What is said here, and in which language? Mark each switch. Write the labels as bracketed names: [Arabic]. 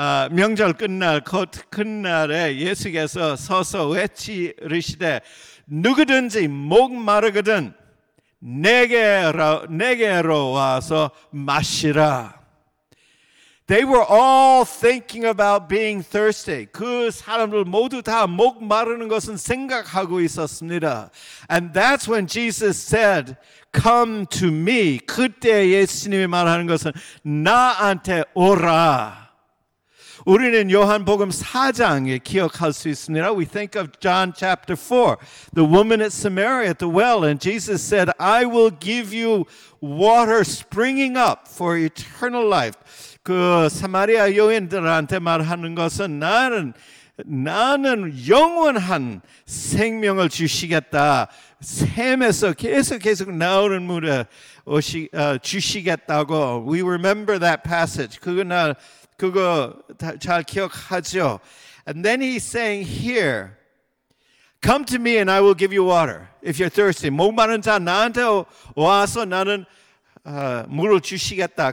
[Korean] 명절 끝날 곧 큰날에 예수께서 서서 외치르시되 누구든지 목마르거든 내게로 와서 마시라. [English] They were all thinking about being thirsty. [Korean] 그 사람들 모두 다 목 마르는 것은 생각하고 있었습니다. [English] And that's when Jesus said, come to me. [Korean] 그때 예수님이 말하는 것은 나한테 오라. 우리는 요한복음 4장에 기억할 수 있습니다. [English] We think of John chapter 4, the woman at Samaria at the well, and Jesus said, I will give you water springing up for eternal life. [Korean] 그 사마리아 여인들한테 말하는 것은 나는 영원한 생명을 주시겠다. 샘에서 계속 나오는 물을 주시겠다고. [English] We remember that passage. [Korean] 그거 잘 기억하죠. [English] And then he's saying here, come to me and I will give you water if you're thirsty. [Korean] 목 마른 자 나한테 와서 나는 물을 주시겠다.